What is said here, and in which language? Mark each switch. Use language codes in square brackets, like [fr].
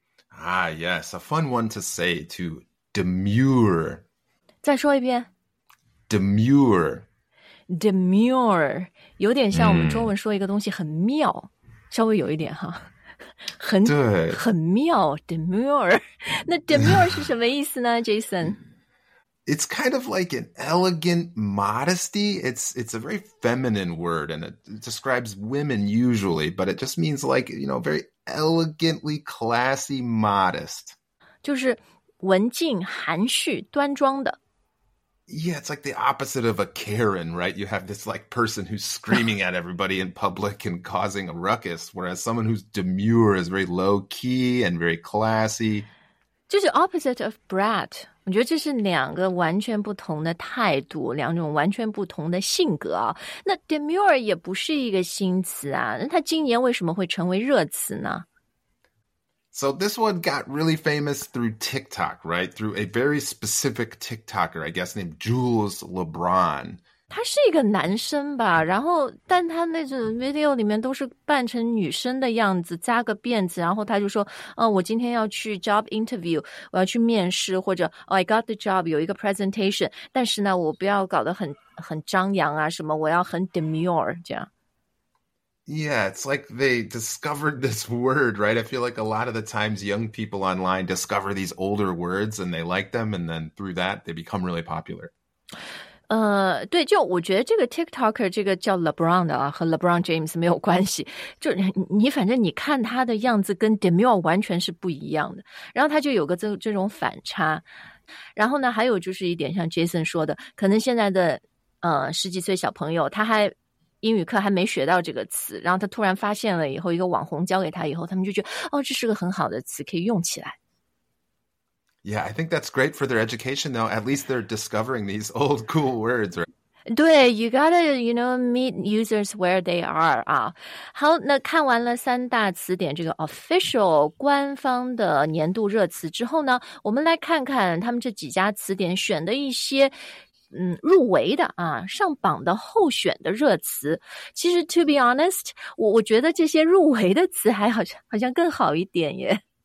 [en] Ah, yes, a fun one to say to demure. [zh] 再说一遍 [en] ，demure. [zh] Demure 有点像我们中文说一个东西很妙，稍微有一点哈。很妙 ，demure。那 demure 是什么意思呢 ，Jason？ [en] It's kind of like an elegant modesty. It's a very feminine word, and it describes women usually. But it just means like, you know, very elegantly classy, modest. [zh] 就是文静、含蓄、端庄的。 [en] Yeah, it's like the opposite of a Karen, right? You have this like person who's screaming at everybody in public and causing a ruckus, whereas someone who's demure is very low key and very classy. 就是 opposite of brat. [zh] 我觉得这是两个完全不同的态度，两种完全不同的性格啊。那 demure 也不是一个新词啊，那它今年为什么会成为热词呢？ [en] So this one got really famous through TikTok, right? Through a very specific TikToker, I guess, named Jules LeBron. [zh] 他是一个男生吧，然后但他那种 video 里面都是扮成女生的样子，扎个辫子，然后他就说，我今天要去 job interview, 我要去面试，或者 [en] I got the job, [zh] 有一个 presentation, 但是呢，我不要搞得很张扬啊什么，我要很 demure 这样。 [en] Yeah, it's like they discovered this word, right? I feel like a lot of the times young people online discover these older words and they like them, and then through that, they become really popular. [zh] 对，就我觉得这个 TikToker 这个叫 LeBron 的啊，和 LeBron James 没有关系。就你反正你看他的样子跟 Demure 完全是不一样的，然后他就有个这种反差。然后呢，还有就是一点像 Jason 说的，可能现在的十几岁小朋友他还。英语课还没学到这个词，然后他突然发现了以后，一个网红教给他以后，他们就觉得哦，这是个很好的词，可以用起来。 [en] Yeah, I think that's great for their education, though. At least they're discovering these old cool words, right? 对 ，you gotta you know meet users where they are 啊。 [zh] 好，那看完了三大词典这个 official 官方的年度热词之后呢，我们来看看他们这几家词典选的一些。入围的啊，上榜的候选的热词，其实 [en] to be honest， [zh] 我觉得这些入围的词还好像更好一点耶。